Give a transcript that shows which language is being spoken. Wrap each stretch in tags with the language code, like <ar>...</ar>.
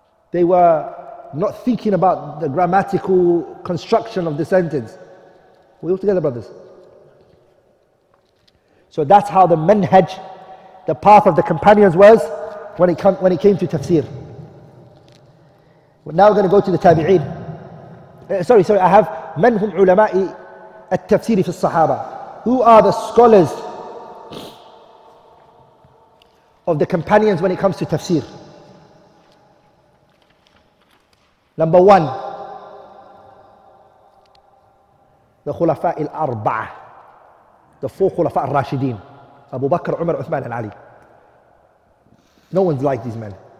<en>They were not thinking about the grammatical construction of the sentence. Are we all together, brothers? So that's how the manhaj, the path of the companions was when it came to tafsir. Now we're going to go to the tabi'een. Sorry, I have</en> <ar>من هم علماء التفسير في الصحابة.</ar> <en>Who are the scholars of the companions when it comes to tafsir? Number one, the</en> <ar>خلفاء الأربعة,</ar> <en>the four</en> <ar>خلفاء الراشدين,</ar> <en>Abu Bakr, Umar, Uthman and Ali. No one's like these men.</en>